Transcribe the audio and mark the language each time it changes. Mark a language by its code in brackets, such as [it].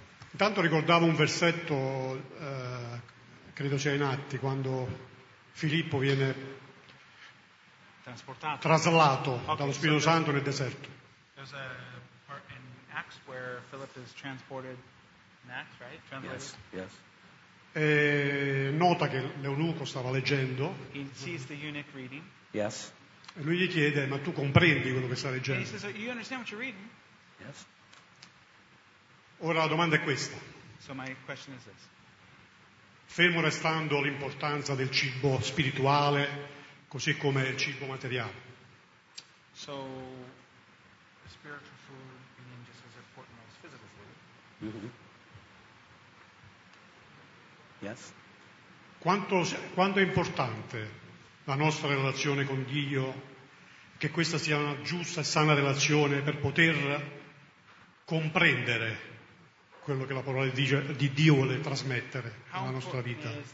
[it] Intanto ricordavo un versetto, credo c'è in Atti, quando Filippo viene traslato dallo Spirito Santo nel deserto. [en] There's a part in Acts where Philip is transported in Acts, right? Translated. Yes, yes. [it] E nota che l'eunuco stava leggendo. [en] He sees the eunuch reading. Yes. [it] E lui gli chiede, ma tu comprendi quello che sta leggendo? [en] And he says, you understand what you're reading? Yes. [it] Ora la domanda è questa. [en] So my question is this. [it] Fermo restando l'importanza del cibo spirituale, così come il cibo materiale. [en] So, the spiritual food being just as important as physical food. Mm-hmm. Yes. [it] Quanto è importante la nostra relazione con Dio, che questa sia una giusta e sana relazione per poter comprendere quello che la parola di Dio vuole trasmettere nella nostra vita.